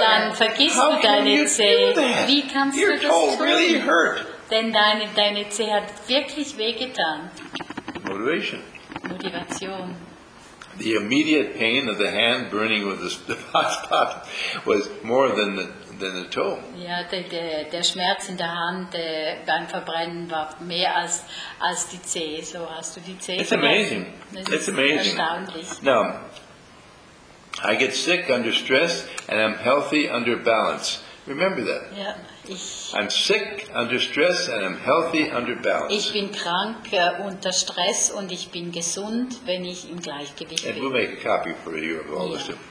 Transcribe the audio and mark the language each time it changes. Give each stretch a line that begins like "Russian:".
German: dann vergisst du deine Zehe. Wie kannst
English: your
German: du das
English: toe
German: tun?
English: Really hurt.
German: Denn deine Zehe hat wirklich weh getan.
English: Motivation. The immediate pain of the hand burning with the hot pot was more than the toe.
German: Ja, der Schmerz in der Hand beim Verbrennen war mehr als die Zehe. So hast du die Zehe.
English: It's amazing. It's amazing.
German: Erstaunlich.
English: Now, I get sick under stress and I'm healthy under balance. Remember that.
German: Ja.
English: I'm sick under stress and I'm healthy under balance.
German: Ich bin krank unter Stress und ich bin gesund, wenn ich im Gleichgewicht bin.
English: And we'll make a copy for you of all this.